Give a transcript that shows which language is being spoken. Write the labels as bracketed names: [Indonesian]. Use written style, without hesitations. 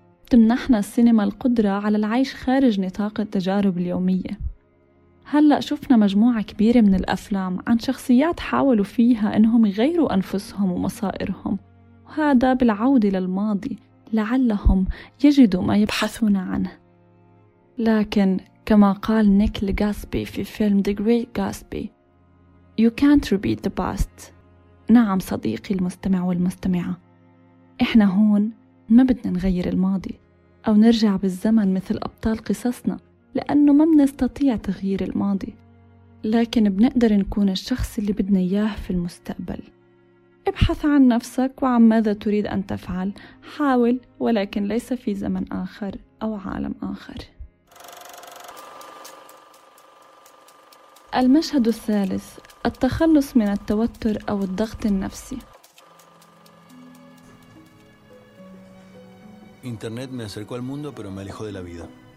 [Arabic] تمنحنا السينما القدرة على العيش خارج نطاق التجارب اليومية. هلأ شفنا مجموعة كبيرة من الأفلام عن شخصيات حاولوا فيها أنهم يغيروا أنفسهم ومصائرهم، وهذا بالعودة للماضي لعلهم يجدوا ما يبحثون عنه. لكن كما قال نيك لغاسبي في فيلم The Great Gatsby، [English] You can't repeat the past. [Arabic] نعم صديقي المستمع والمستمعة، إحنا هون ما بدنا نغير الماضي أو نرجع بالزمن مثل أبطال قصصنا، لأنه ما بنستطيع تغيير الماضي، لكن بنقدر نكون الشخص اللي بدنا إياه في المستقبل. ابحث عن نفسك وعن ماذا تريد أن تفعل، حاول، ولكن ليس في زمن آخر أو عالم آخر. المشهد الثالث، التخلص من التوتر أو الضغط النفسي. [Spanish] إنترنت me acercó al mundo pero me alejó de la vida.